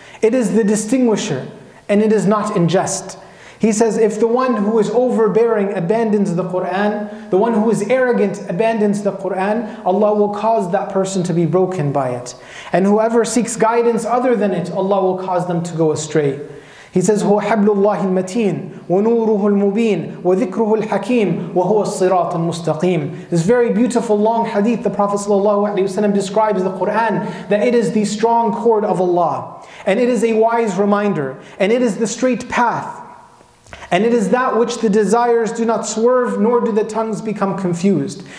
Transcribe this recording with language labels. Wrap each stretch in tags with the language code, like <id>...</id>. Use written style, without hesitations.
<en>It is the distinguisher, and it is not in jest. He says, if the one who is overbearing abandons the Qur'an, the one who is arrogant abandons the Qur'an, Allah will cause that person to be broken by it. And whoever seeks guidance other than it, Allah will cause them to go astray. He says,</en> <ar>هو حبل الله المتين ونوره المبين وذكره الحكيم وهو الصراط المستقيم.</ar> <en>This very beautiful long hadith, the Prophet sallallahu alaihi wasallam describes the Quran that it is the strong cord of Allah, and it is a wise reminder, and it is the straight path, and it is that which the desires do not swerve, nor do the tongues become confused.</en>